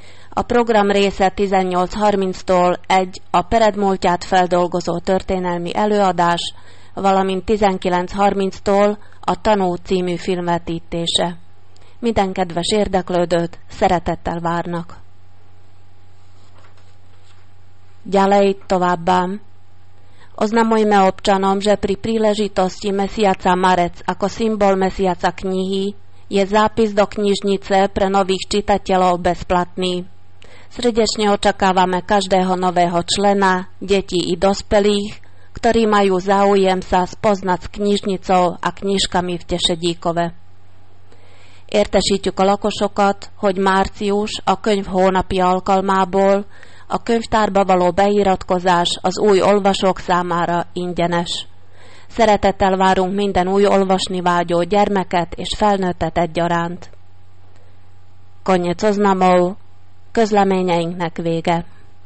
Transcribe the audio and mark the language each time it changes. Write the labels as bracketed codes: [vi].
[hu] A program része 18.30-tól egy a Pered múltját feldolgozó történelmi előadás, valamint 19.30-tól a Tanú című filmvetítése. Minden kedves érdeklődőt szeretettel várnak. [sk] Ďalej [hu] továbbá. [sk] Oznamujme občanom, že pri príležitosti mesiaca Marec ako symbol mesiaca knihy je zápis do knižnice pre nových čitateľov bezplatný. Srdečne očakávame každého nového člena, detí i dospelých, ktorí majú záujem sa spoznať s knižnicou a knižkami v Tešedíkove. [hu] Értesítjük a lakosokat, hogy március a könyv hónapi alkalmából a könyvtárba való beiratkozás az új olvasók számára ingyenes. Szeretettel várunk minden új olvasni vágyó gyermeket és felnőttet egyaránt. [sk] Konnyec oznamov, [hu] közleményeinknek vége.